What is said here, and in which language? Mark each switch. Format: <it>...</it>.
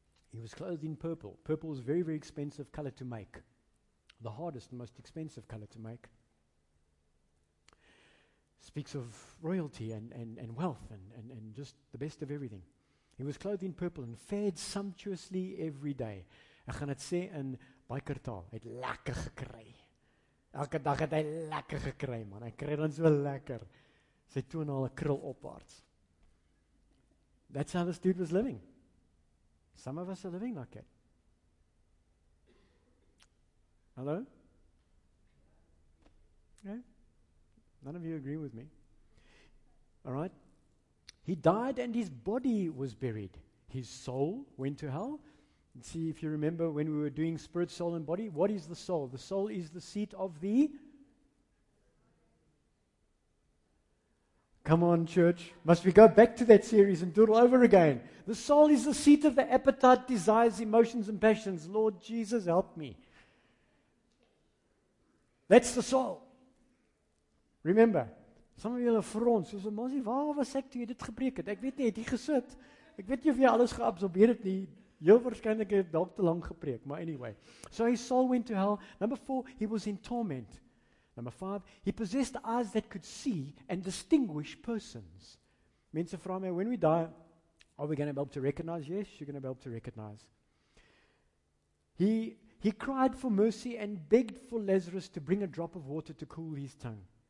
<en>He was clothed in purple. Purple is a very, very expensive color to make. The hardest and most expensive color to make. Speaks of royalty and wealth and just the best of everything. He was clothed in purple and fed sumptuously every day.</en> <af>Ek gaan dit sê in baie kwartaal. Hy het lekker gekry. Elke dag het hy lekker gekry, man. Hy kry dan so lekker. Sy toenale krul opwaarts.</af> <en>That's how this dude was living. Some of us are living like it. Hello? Yeah? None of you agree with me. All right. He died and his body was buried. His soul went to hell. See, if you remember when we were doing spirit, soul, and body, what is the soul? The soul is the seat of the... Come on, church. Must we go back to that series and do it all over again? The soul is the seat of the appetite, desires, emotions, and passions. Lord Jesus, help me. That's the soul. Remember, some of</en> <af>julle frons, soos 'n mosie, waar was ek toe jy dit gebreek het? Ek weet nie, het jy gesit? Ek weet nie of jy alles geabsorbeer het nie. Heel waarskynlik het dalk te lank gepreek, maar anyway.</af> <en>So his soul went to hell. Number four, he was in torment. Number five, he possessed eyes that could see and distinguish persons.</en> <af>Mense vra my,</af> <en>when we die, are we going to be able to recognize? Yes, you're going to be able to recognize. He cried for mercy and begged for Lazarus to bring a drop of water to cool his tongue.</en>